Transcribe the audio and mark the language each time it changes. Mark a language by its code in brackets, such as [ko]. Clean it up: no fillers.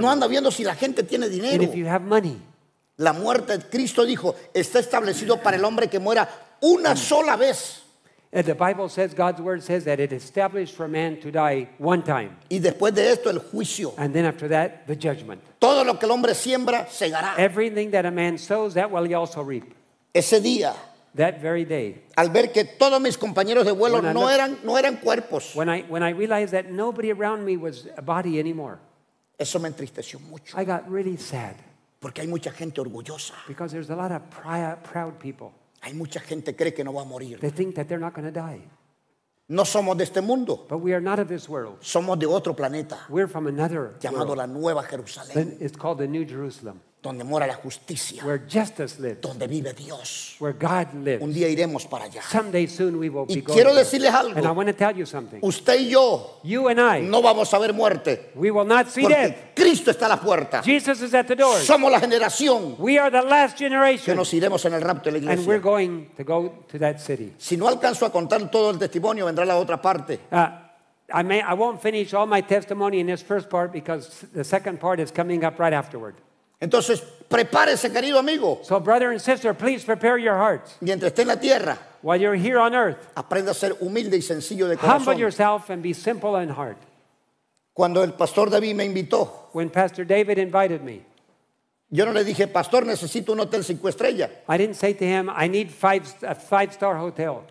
[es] No anda viendo si la gente tiene dinero. [en] And if you have money. [es] La muerte, Cristo dijo, está establecido para el hombre que muera una sola vez. [en] And the Bible says, God's word says that it is established for man to die one time. [es] Y después de esto, el juicio. [en] And then after that, the judgment. [es] Todo lo que el hombre siembra, segará. [en] Everything that a man sows, that will he also reap. [es] Ese día. [en] That very day. [es] Al ver que todos mis compañeros de vuelo no eran cuerpos. [en] When I realized that nobody around me was a body anymore. [es] Eso me entristeció mucho. [en] I got really sad. [es] Porque hay mucha gente orgullosa. [en] Because there's a lot of proud people. [es] Hay mucha gente cree que no va a morir. [en] They think that they're not going to die. [es] No somos de este mundo. [en] But we are not of this world. [es] Somos de otro planeta. [en] We're from another [es] llamado [en] world. [es] La Nueva Jerusalén. [en] It's called the New Jerusalem. [es] Donde mora la justicia. [en] Where justice lives. [es] Donde vive Dios. [en] Where God lives. [es] Un día iremos para allá. [en] Someday soon we will [es] y quiero [en] going [es] decirles [en] there. [es] Algo. [en] And I want to tell you something. [es] Usted y yo. [en] You and I. [es] No vamos a ver muerte. [en] We will not see [es] porque [en] death. [es] Cristo está a la puerta. [en] Jesus is at the door. [es] Somos la generación. [en] We are the last generation. [es] Que nos iremos en el rapto de la iglesia. [en] And we're going to go to that city. [es] Si no alcanzo a contar todo el testimonio, vendrá la otra parte. [en] I won't finish all my testimony in this first part because the second part is coming up right afterward. [es] Entonces, prepárese, querido amigo. [en] So, brother and sister, please prepare your hearts. [es] Mientras esté en la tierra, [en] while you're here on earth, [es] aprenda a ser humilde y sencillo de corazón. [en] Humble yourself and be simple in heart. [es] Cuando el pastor David me invitó, [en] when Pastor David invited me, [es] yo no le dije, pastor, necesito un hotel 5 estrellas. [en] I didn't say to him, I need a 5-star hotel.